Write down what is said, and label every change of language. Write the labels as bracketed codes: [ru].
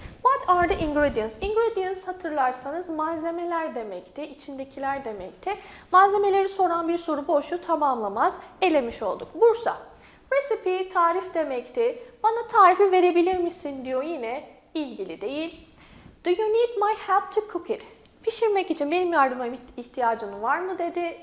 [en] What are the ingredients? [tr] Ingredients hatırlarsanız malzemeler demekti, içindekiler demekti. Malzemeleri soran bir soru boşu tamamlamaz, elemiş olduk. Bursa, recipe tarif demekti. Bana tarifi verebilir misin diyor, yine ilgili değil. [en] Do you need my help to cook it? [tr] Pişirmek için benim yardıma ihtiyacın var mı dedi.